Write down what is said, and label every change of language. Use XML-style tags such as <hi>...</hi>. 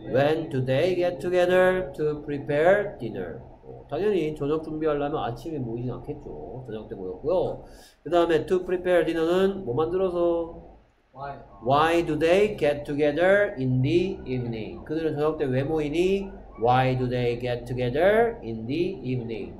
<en>When do they get together to prepare dinner?</en> <ko>당연히 저녁 준비하려면 아침에 모이지 않겠죠. 저녁 때 모였고요. 그 다음에</ko> <en>to prepare dinner</en> <ko>는 뭐 만들어서?</ko> <en>Why do they get together in the evening?</en> <ko>그들은 저녁 때 왜 모이니?</ko> <en>Why do they get together in the evening?</en>